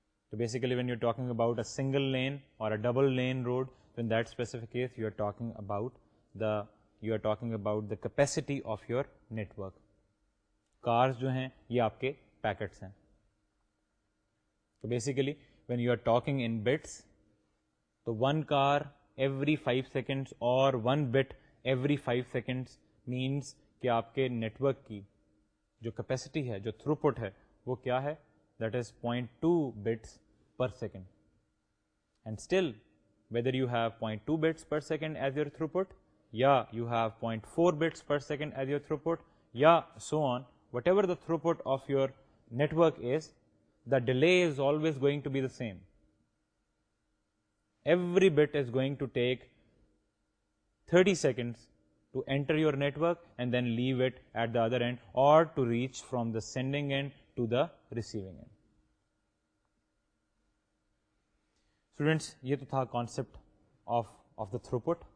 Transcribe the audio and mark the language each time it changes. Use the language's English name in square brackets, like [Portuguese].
[English] تو basically when you are talking about a single lane اور a double lane road, in that specific case you are talking about the you are talking about the capacity of your network. [Urdu] Cars جو ہیں یہ آپ کے packets ہیں. [English] تو basically when you are talking in bits, [Urdu] تو [English] one car every 5 seconds [Urdu] اور one but every 5 seconds means کہ آپ کے نیٹ ورک کی جو کیپیسٹی ہے, جو تھرو پٹ ہے, وہ کیا ہے, [English] That is 0.2 bits per second. And still whether you have 0.2 bits per second as your throughput یا you have 0.4 bits per second as your throughput یا so on, whatever the throughput of your network is, the delay is always going to be the same. Every bit is going to take 30 seconds to enter your network and then leave it at the other end or to reach from the sending end to the receiving end. [Urdu] Students, ye to tha [English] concept of the throughput.